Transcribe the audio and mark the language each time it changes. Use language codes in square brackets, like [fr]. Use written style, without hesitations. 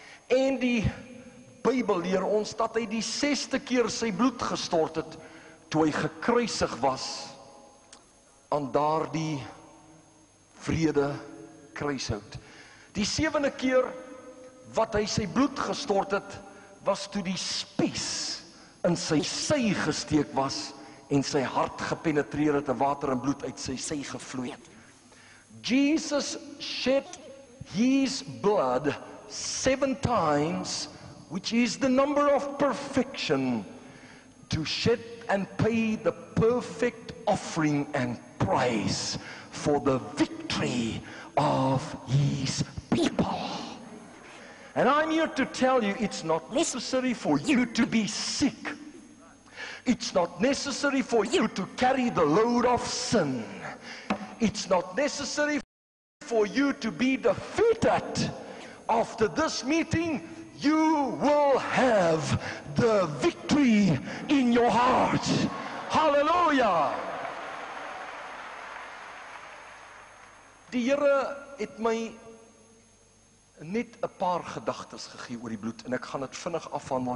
[af] En die Bybel leer ons dat hy die 6de keer sy bloed gestort het toe hy gekruisig was aan daardie vrede kruishout. Die 7de keer wat hy sy bloed gestort het was toe die spies in sy sy gesteek was en sy hart gepenetreer het en water en bloed uit sy sy gevloei het. [en] Jesus shed his blood 7 times, which is the number of perfection, to shed and pay the perfect offering and price for the victory of his people. And I'm here to tell you, it's not necessary for you to be sick. It's not necessary for you to carry the load of sin. It's not necessary for you to be defeated. After this meeting, you will have the victory in your heart. Hallelujah! [af] Die Here het my net 'n paar gedagtes gegee oor die bloed en ek gaan dit vinnig afhandel.